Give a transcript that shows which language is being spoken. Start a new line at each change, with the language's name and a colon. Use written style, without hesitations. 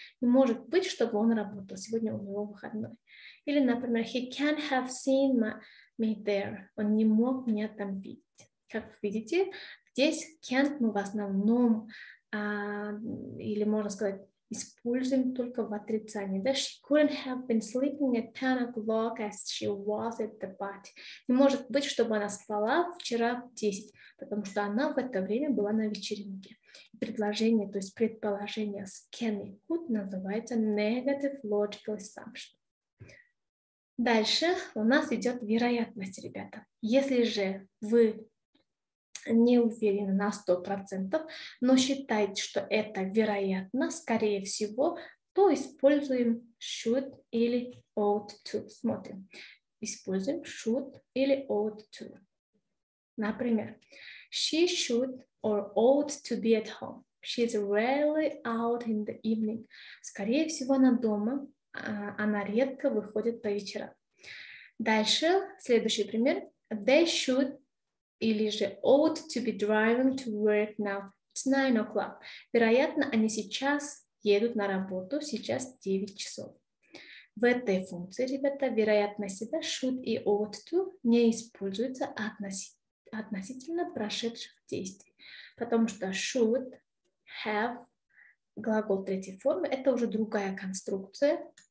Russian: Не может быть, чтобы он работал, сегодня у него выходной. Или, например,
English: he can't have seen me there.
Russian: Он не мог меня там видеть. Как видите, здесь can't мы в основном, или можно сказать, используем только в отрицании. Да?
English: She couldn't have been sleeping at 10 o'clock as she was at the party.
Russian: Не может быть, чтобы она спала вчера в 10, потому что она в это время была на вечеринке. Предложение, то есть предположение с can и could называется negative logical assumption. Дальше у нас идет вероятность, ребята. Если же вы не уверены на 100%, но считаете, что это вероятно, скорее всего, то используем should или ought to. Смотрим. Используем should или ought to. Например,
English: she should or ought to be at home. She's rarely out in the evening.
Russian: Скорее всего, она дома. Она редко выходит по вечерам. Дальше, следующий пример.
English: They should или же ought to be driving to work now. It's 9 o'clock.
Russian: Вероятно, они сейчас едут на работу, сейчас 9 часов. В этой функции, ребята, вероятность себя should и ought to не используются относительно прошедших действий. Потому что should, have, глагол третьей формы, это уже другая конструкция.